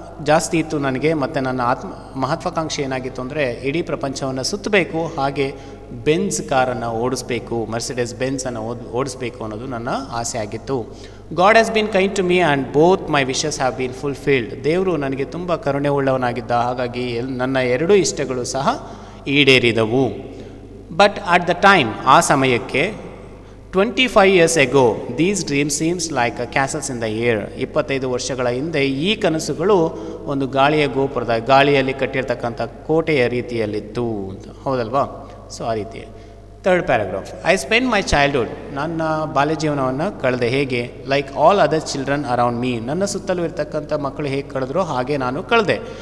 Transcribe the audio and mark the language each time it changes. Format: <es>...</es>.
<kn>ಜಾಸ್ತಿ ಇತ್ತು ನನಗೆ, ಮತ್ತು ನನ್ನ ಮಹತ್ವಾಕಾಂಕ್ಷೆ ಏನಾಗಿತ್ತು ಅಂದರೆ ಇಡೀ ಪ್ರಪಂಚವನ್ನು ಸುತ್ತಬೇಕು, ಹಾಗೆ ಬೆನ್ಸ್ ಕಾರನ್ನು ಓಡಿಸ್ಬೇಕು, ಮರ್ಸಿಡೆಸ್ ಬೆನ್ಸನ್ನು ಓಡಿಸ್ಬೇಕು ಅನ್ನೋದು ನನ್ನ ಆಸೆ ಆಗಿತ್ತು.</kn> <en>God has been kind to me and both my wishes have been fulfilled.</en> <kn>ದೇವರು ನನಗೆ ತುಂಬ ಕರುಣೆ ಉಳ್ಳವನಾಗಿದ್ದ, ಹಾಗಾಗಿ ನನ್ನ ಎರಡೂ ಇಷ್ಟಗಳು ಸಹ ಈಡೇರಿದವು.</kn> <en>but at the time,</en> <kn>ಆ ಸಮಯಕ್ಕೆ</kn> <en>25 years ago, these dreams seems like castles in the air.</en> <kn>25 ವರ್ಷಗಳ ಹಿಂದೆ ಈ ಕನಸುಗಳು ಒಂದು ಗಾಳಿಯ ಗೋಪುರದ, ಗಾಳಿಯಲ್ಲಿ ಕಟ್ಟಿರ್ತಕ್ಕಂಥ ಕೋಟೆಯ ರೀತಿಯಲ್ಲಿತ್ತು ಅಂತ. ಹೌದಲ್ವಾ? ಸೊ ಆ ರೀತಿ.</kn> <en>third paragraph, I spend my childhood,</en> <kn>ನನ್ನ ಬಾಲ್ಯ ಜೀವನವನ್ನು ಕಳೆದೆ. ಹೇಗೆ?</kn> <en>like all other children around me,</en> <kn>ನನ್ನ ಸುತ್ತಲೂ ಇರ್ತಕ್ಕಂಥ ಮಕ್ಕಳು ಹೇಗೆ ಕಳೆದ್ರು ಹಾಗೆ ನಾನು ಕಳೆದೆ.</kn>